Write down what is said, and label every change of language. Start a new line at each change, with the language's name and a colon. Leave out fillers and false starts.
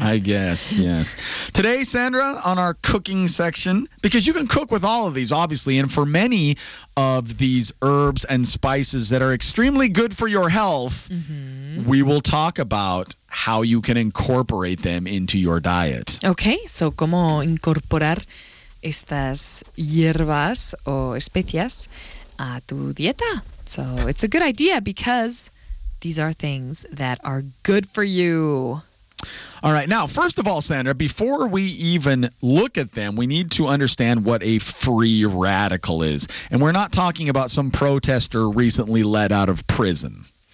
English: I guess, yes. Today, Sandra, on our cooking section, because you can cook with all of these, obviously, and for many of these herbs and spices that are extremely good for your health, mm-hmm. we will talk about how you can incorporate them into your diet.
Spanish: Okay, so cómo incorporar estas hierbas o especias a tu dieta.
English: So it's a good idea because these are things that are good for you. All right. Now, first of all, Sandra, before we even look at them, we need to understand what a free radical is. And we're not talking about some protester recently let out of prison.